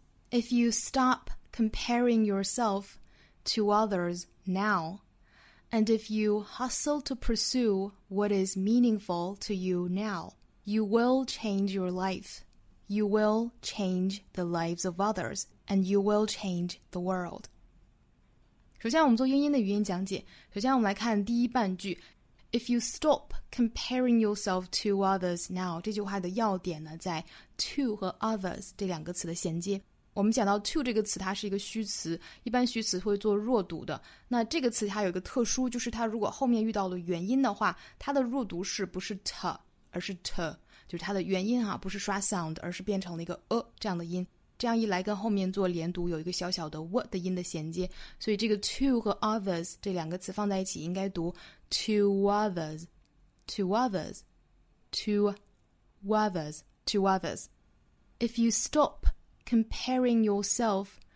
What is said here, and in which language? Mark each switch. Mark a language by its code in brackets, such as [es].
[en] If you stop comparing yourself to others now, and if you hustle to pursue what is meaningful to you now,You will change your life. You will change the lives of others. And you will change the world. [zh] 首先我们做英音的语音讲解。首先我们来看第一半句。 [en] If you stop comparing yourself to others now, [zh] 这句话的要点呢在 to 和 others 这两个词的衔接。我们讲到 to 这个词它是一个虚词，一般虚词会做弱读的。那这个词它有一个特殊，就是它如果后面遇到了元音的话，它的弱读是不是 to? 而是 t 就是它的元音哈、啊、不是刷 sound 而是变成了一个 a、这样的音这样一来跟后面做连读有一个小小的 what 的音的衔接所以这个 to 和 others 这两个词放在一起应该读 [en] to others If you stop comparing yourself